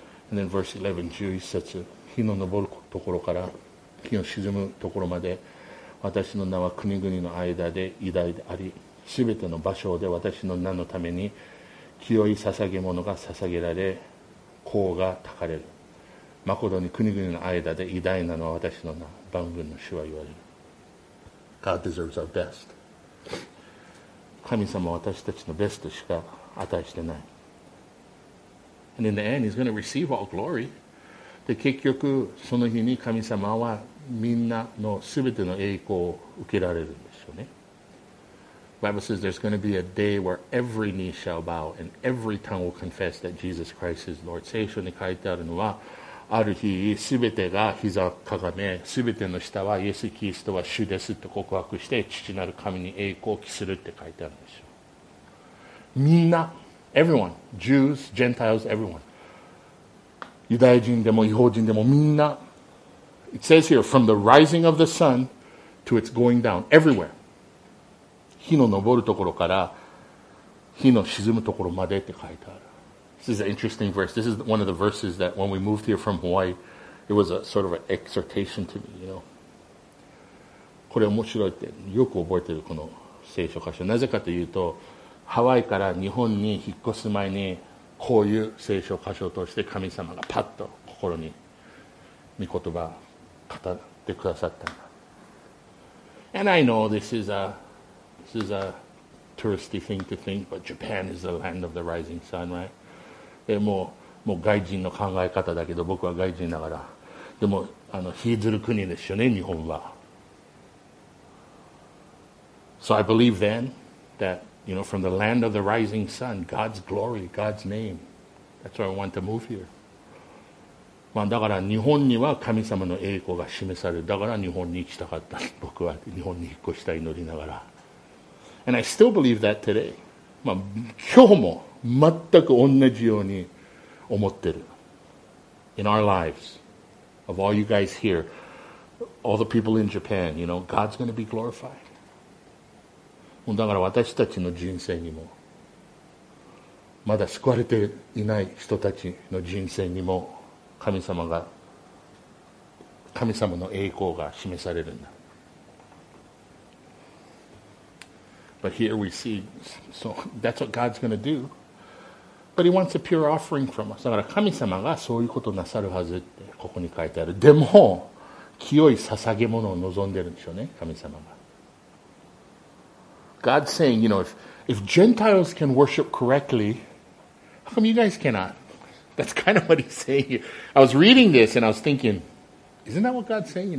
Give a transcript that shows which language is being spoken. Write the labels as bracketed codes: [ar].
[en] And then verse 11, [ja] 11節、火の昇るところから火の沈むところまで、私の名は国々の間で偉大であり、すべての場所で私の名のために清い捧げ物が捧げられ功が高れる。まことに国々の間で偉大なのは私の名、万軍の主は言われる。 [en] God deserves our best. [ja] 神様は私たちのベストしか与えしてない。 [en] And in the end he's going to receive all glory. [ja] で結局その日に神様はみんなのすべての栄光を受けられるんですよね。 [en] The Bible says there's going to be a day where every knee shall bow and every tongue will confess that Jesus Christ is Lord. [ja] 聖書に書いてあるのは、ある日すべてが膝をかがめ、すべての舌はイエス・キリストは主ですと告白して、父なる神に栄光を期するって書いてあるんでしょう。 [en] みんな、everyone, Jews, Gentiles, everyone. [ja] ユダヤ人でも違法人でもみんな。 [en] It says here, from the rising of the sun to its going down, everywhere. [ja] 火の昇るところから火の沈むところまでって書いてある。 [en] This is an interesting verse. This is one of the verses that when we moved here from Hawaii, it was a sort of an exhortation to me, you know. [ja] これ面白いってよく覚えてるこの聖書箇所。なぜかというと、ハワイから日本に引っ越す前にこういう聖書箇所として神様がパッと心に御言葉を語ってくださった。 [en] And I know this is aThis is a touristy thing to think, but Japan is the land of the rising sun, right? [ja] でも、もう外人の考え方だけど、僕は外人だから。でも、あの、日ずる国ですよね、日本は。 [en] So I believe then that, you know, from the land of the rising sun, God's glory, God's name. That's why I want to move here. [ja] まあ、だから日本には神様の栄光が示される。だから日本に行きたかった。僕は日本に引っ越したい祈りながら。 [en] And I still believe that today. [ja] まあ、今日も全く同じように思ってる。 [en] In our lives. of all you guys here, all the people in Japan, you know, God's going to be glorified. [ja] だから私たちの人生にも、まだ救われていない人たちの人生にも、神様の栄光が示されるんだ。 [en] But here we see, so that's what God's going to do. But he wants a pure offering from us. [ja] だから神様がそういうことなさるはずってここに書いてある。でも、清い捧げ物を望んでるんでしょうね、神様が。 [en] God's saying, you know, if Gentiles can worship correctly, how come you guys cannot? That's kind of what he's saying here. I was reading this and I was thinking, isn't that what God's saying?